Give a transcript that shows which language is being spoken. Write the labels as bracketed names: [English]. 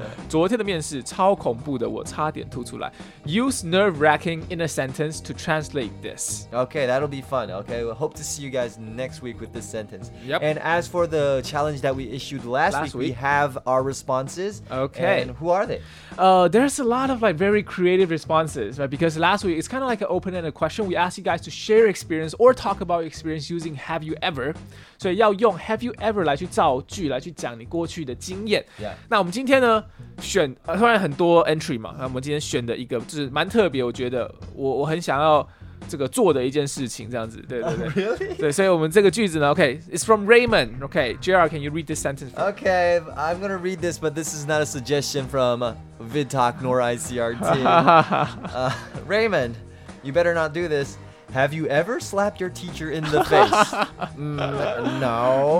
[Chinese] 昨天的面试超恐怖的，我差点吐出来。 [English] Use nerve wracking in a sentence to translate this. Okay, that'll be fun. Okay, we hope to see you guys next week with this sentence. Yep. And as for the challenge that we issued last week, we have our responses. Okay. And who are they? There's a lot of like very creative responses, right? Because last week it's kind of like an open-ended question. We asked you guys to share experience or talk about experience using Have you ever? [Chinese] 所以要用 Have you ever 来去造句，来去讲你过去的经验。 [English] Yeah. [Chinese] 那我们今天呢，选突然很多 entry 嘛，那我们今天选的一个就是蛮特别，我觉得我很想要这个做的一件事情，这样子，对对对， [English] really? 对。 [Chinese] 所以我们这个句子呢 [English] ，OK， it's from Raymond。OK， JR， can you read this sentence? For okay, I'm gonna read this, but this is not a suggestion from VidTalk nor ICRT. Raymond, you better not do this. Have you ever slapped your teacher in the face? No.